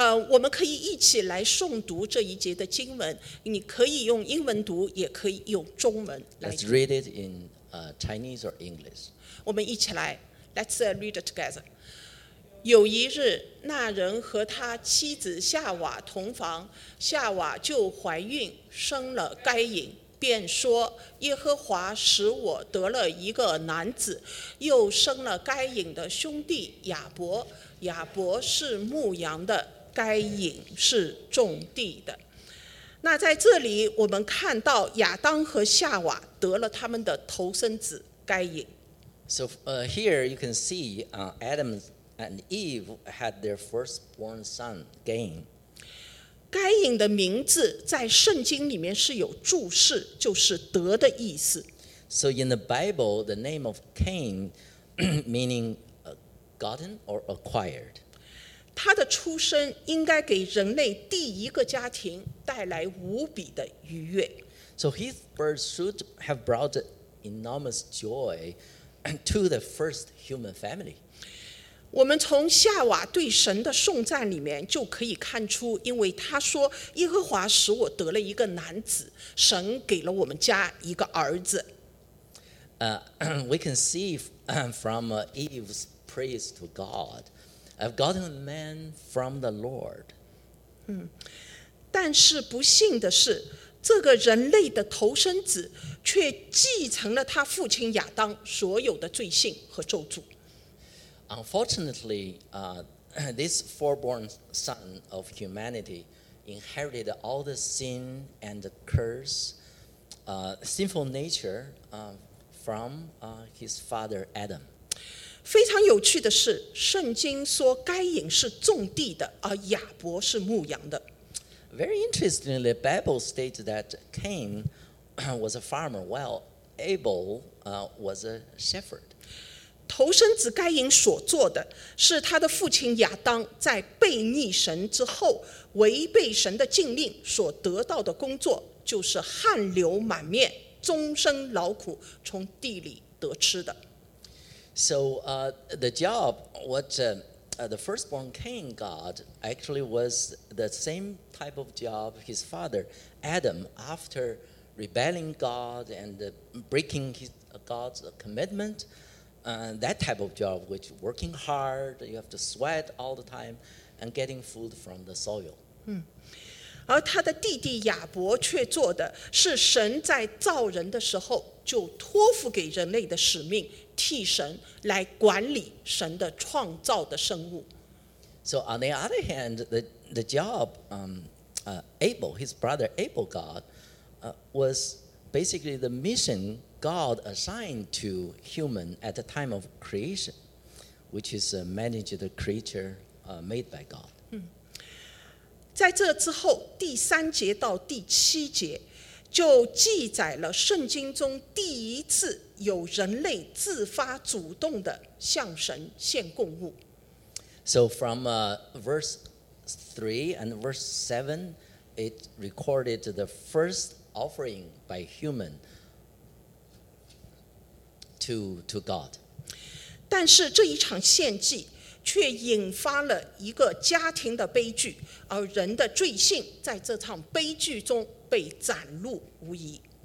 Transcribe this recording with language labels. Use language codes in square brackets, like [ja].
[zh] 我们可以一起来诵读这一节的经文，你可以用英文读，也可以用中文来读。 [en] Let's read it in Chinese or English. [zh] 我们一起来， [en] let's read it together. [zh] 有一日，那人和他妻子夏娃同房，夏娃就怀孕，生了该隐。便说耶和华使我得了一个男子，又生了该隐的兄弟亚伯。亚伯是牧羊的，该隐是种地的。那在这里我们看到亚当和夏娃得了他们的头生子该隐。 [en] So here you can see Adam and Eve had their firstborn son, Cain. [zh] 该隐的名字在圣经里面是有注释，就是得的意思。 [en] So in the Bible, the name of Cain meaning gotten or acquired. [zh] 他的出生应该给人类第一个家庭带来无比的愉悦。 [en] So his birth should have brought enormous joy to the first human family. [zh] 我们从夏娃对神的颂赞里面就可以看出，因为他说耶和华使我得了一个男子，神给了我们家一个儿子。 [en] We can see from Eve's praise to God, I've gotten a man from the Lord. [zh] 但是不幸的是，这个人类的头生子却继承了他父亲亚当所有的罪性和咒诅。 [en] Unfortunately, this foreborn son of humanity inherited all the sin and the curse, sinful nature from his father Adam. [zh] 非常有趣的是，圣经说该隐是种地的，而亚伯是牧羊的。 [en] Very interestingly, the Bible states that Cain was a farmer, while Abel was a shepherd. [zh] 头生子该隐所做的是他的父亲亚当在悖逆神之后违背神的禁令所得到的工作，就是汗流满面，终生劳苦，从地里得吃的。 [en] So the job what the firstborn Cain got actually was the same type of job his father Adam after rebelling God and breaking his, God's commitmentthat type of job, which working hard, you have to sweat all the time, and getting food from the soil. [zh] 而他的弟弟亚伯却做的是神在造人的时候就托付给人类的使命，替神来管理神的创造的生物。 [en] So on the other hand, the job Abel, his brother Abel got, was basically the mission. God assigned to human at the time of creation, which is manage the creature made by God. [zh] 在这之后，第三节到第七节，就记载了圣经中第一次有人类自发主动的向神献供物。 [en] So from verse 3 and verse 7, it recorded the first offering by human to God. [zh] 但是这一场献祭却引发了一个家庭的悲剧，而人的罪性在这场悲剧中被展露无遗。